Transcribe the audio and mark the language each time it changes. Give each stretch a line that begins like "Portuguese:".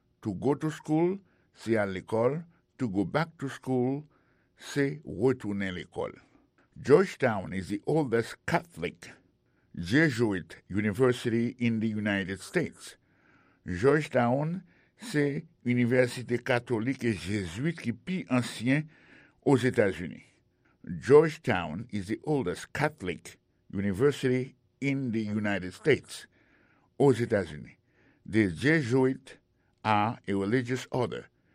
English: To go to school,
French: c'est à l'école,
English: to go back to school,
French: c'est retourner à l'école.
English: Georgetown is the oldest Catholic Jesuit university in the United States.
French: Georgetown, c'est université catholique et jésuite qui plus ancien aux États-Unis.
English: Georgetown is the oldest Catholic university in the United States,
French: aux États-Unis.
English: The Jesuits are a religious order.